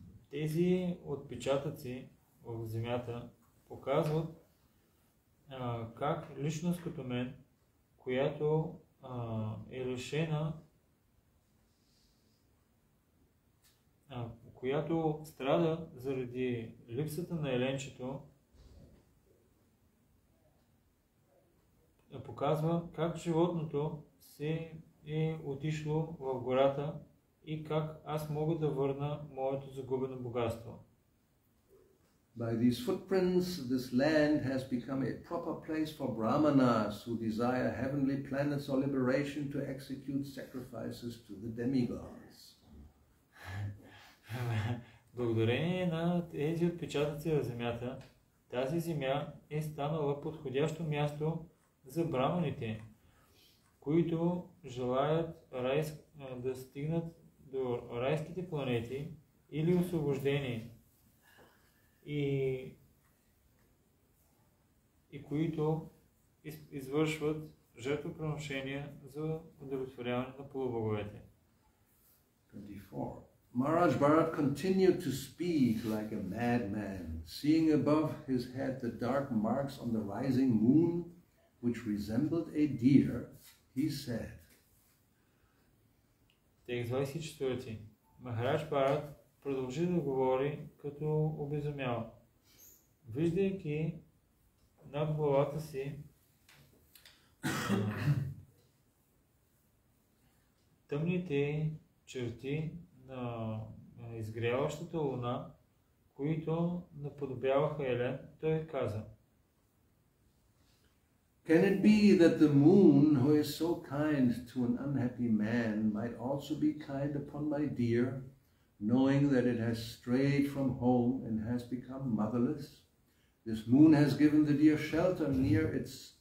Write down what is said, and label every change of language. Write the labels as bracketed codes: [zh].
[bg] Тези отпечатъци в земята показват как личност като мен, която е лишена, която страда заради липсата на еленчето, показва как животното се е отишло в гората и как аз мога да върна моето загубено богатство. [en] By these footprints, this land has become a proper place for brahmanas who desire heavenly planets or liberation to execute sacrifices to the demigods. [bg] Благодарение на тези отпечатъци на земята, тази земя е станала подходящо място за брахманите, които желаят да стигнат до райските планети или освобождение и които извършват жертвоприношения за удовлетворяване на полубоговете. [en] 24. Maharaj Bharat continued to speak like a madman, seeing above his head the dark marks on the rising moon, which resembled a deer, he said. [bg] Текст 24. Махарадж Барат продължи да говори като обезумял, виждайки над главата си тъмните черти на изгряващата луна, които наподобяваха Елен, той каза. [en] Can it be that the moon, who is so kind to an unhappy man, might also be kind upon my deer, knowing that it has strayed from home and has become motherless? This moon has given the deer shelter near its